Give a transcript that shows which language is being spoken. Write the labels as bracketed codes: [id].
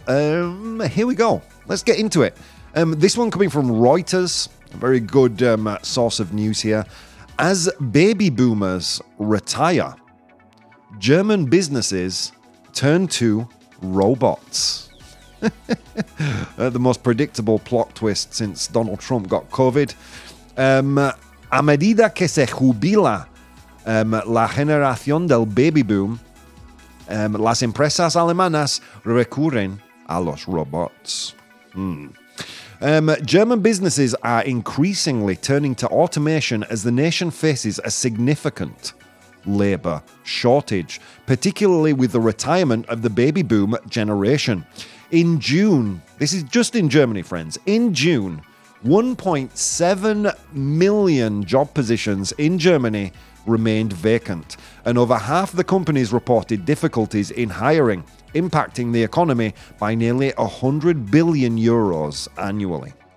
[en] Here we go. Let's get into it. This one coming from Reuters, a very good source of news here. As baby boomers retire, German businesses turn to robots. The most predictable plot twist since Donald Trump got COVID. [es] A medida que se jubila la generación del baby boom, las empresas alemanas recurren a los robots. [en] German businesses are increasingly turning to automation as the nation faces a significant labor shortage, particularly with the retirement of the baby boom generation. In June, this is just in Germany, friends, in June, 1.7 million job positions in Germany remained vacant, and over half the companies reported difficulties in hiring, impacting the economy by nearly 100 billion euros annually.